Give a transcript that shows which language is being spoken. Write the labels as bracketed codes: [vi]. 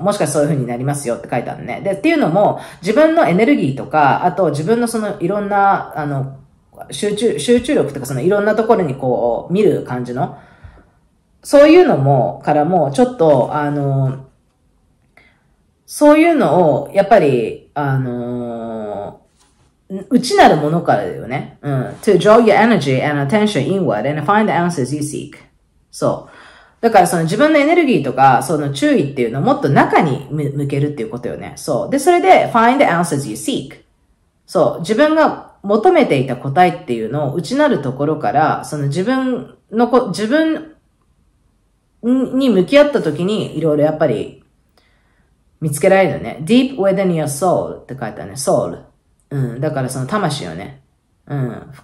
[ja] もしかしたらそういう風になりますよって書いてあるね。で、っていうのも、自分のエネルギーとか、あと、自分のその、いろんな、集中力とか、その、いろんなところにこう、見る感じの、そういうのも、からも、ちょっと、そういうのを、やっぱり、内なるものからだよね。うん。 [en] to draw your energy and attention inward and find the answers you seek. [ja] そう。だからその自分のエネルギーとか、その注意っていうのをもっと中に向けるっていうことよね。そう。で、それで [en] find the answers you seek. [ja] そう。自分が求めていた答えっていうのを内なるところから、その自分に向き合った時にいろいろやっぱり、見つけられるね。 [en] deep within your soul [ja] って書いてあるね。 soul。 うん。だからその魂よね。うん。